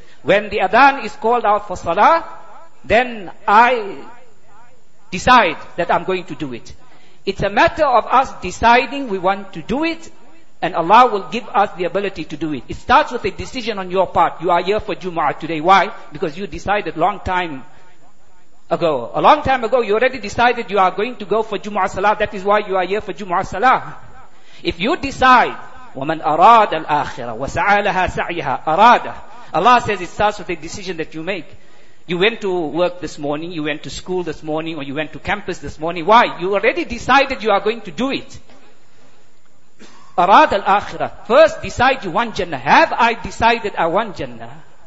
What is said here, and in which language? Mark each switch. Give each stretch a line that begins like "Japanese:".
English: When the adhan is called out for salah, then I decide that I'm going to do it. It's a matter of us deciding we want to do it, And Allah will give us the ability to do it. It starts with a decision on your part. You are here for Jumu'ah today. Why? Because you decided long time ago. A long time ago, you already decided you are going to go for Jumu'ah Salah. That is why you are here for Jumu'ah Salah. If you decide,
Arabic: وَمَنْ أَرَادَ الْآخِرَةَ وَسَعَى لَهَا سَعْيَهَا أَرَادَ.
English: Allah says it starts with a decision that you make. You went to work this morning, you went to school this morning, or you went to campus this morning. Why? You already decided you are going to do it.
Arabic: أَرَادَ الْآخِرَةَ.
English: First decide you want Jannah. Have I decided I want Jannah?